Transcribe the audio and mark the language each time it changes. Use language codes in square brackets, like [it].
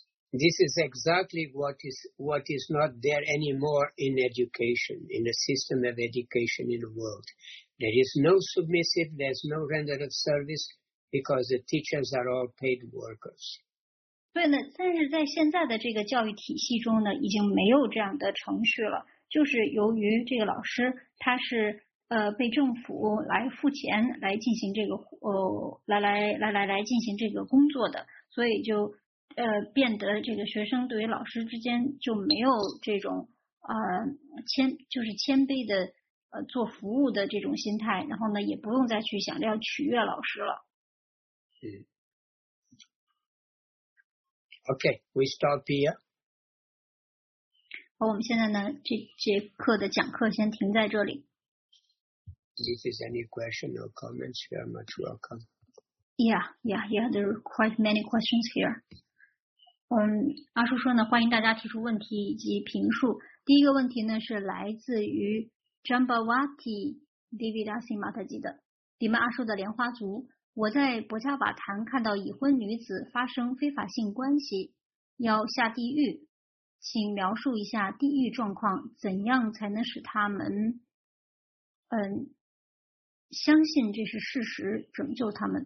[en] This is exactly what is not there anymore in education, in the system of education in the world. There is no submissive, there is no render of service, because the teachers are all paid workers. [zh] 对呢，但是在现在的这个教育体系中呢，已经没有这样的程序了。就是由于这个老师他是被政府来付钱来进行这个来进行这个工作的，所以就变得这个学生对于老师之间就没有这种谦卑的做服务的这种心态，然后呢也不用再去想着要取悦老师了。 [en] Okay, we stop here. [zh] 好，我们现在呢这节课的讲课先停在这里。 [en] If there's any question or comments, you are much welcome. Yeah, there are quite many questions here. [zh] 阿叔说呢，欢迎大家提出问题以及评述。第一个问题呢是来自于 Jambavati Devidasi Mataji 的迪曼阿叔的莲花族。我在博加瓦坛看到已婚女子发生非法性关系要下地狱，请描述一下地狱状况，怎样才能使他们相信这是事实，拯救他们。